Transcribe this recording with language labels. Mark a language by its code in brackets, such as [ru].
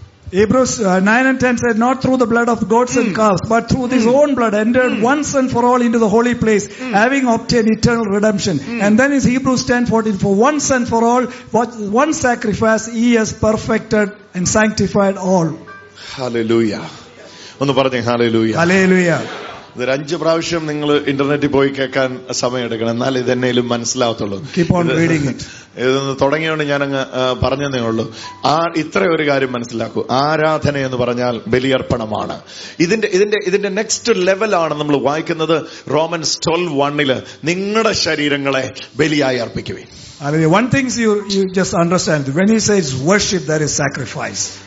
[en] Hebrews 9 and 10 said, not through the blood of goats and calves, but through his own blood entered once and for all into the holy place, having obtained eternal redemption. And then is Hebrews 10:14, for once and for all, one sacrifice he has perfected and sanctified all. [ml] Hallelujah. ഒന്ന് പറഞ്ഞേ, hallelujah. [en] Hallelujah. [ml] ഇതൊരു 5 പ്രാവശ്യം നിങ്ങൾ ഇന്റർനെറ്റിൽ പോയി കേൾക്കാൻ സമയമെടുക്കണം, എന്നാൽ ഇതെന്നേലും മനസ്സിലാവത്തുള്ളൂ. ഇതൊന്ന് തുടങ്ങിയോണ്ട് ഞാൻ അങ്ങ് പറഞ്ഞതേ ഉള്ളൂ. ആ ഇത്ര ഒരു കാര്യം മനസ്സിലാക്കൂ, ആരാധന എന്ന് പറഞ്ഞാൽ ബലിയർപ്പണമാണ്. ഇതിന്റെ നെക്സ്റ്റ് ലെവലാണ് നമ്മൾ വായിക്കുന്നത്. റോമൻസ് 12:1 നിങ്ങളുടെ ശരീരങ്ങളെ ബലിയായി അർപ്പിക്കുവേ. [en] One thing you just understand, when he says worship, there is sacrifice.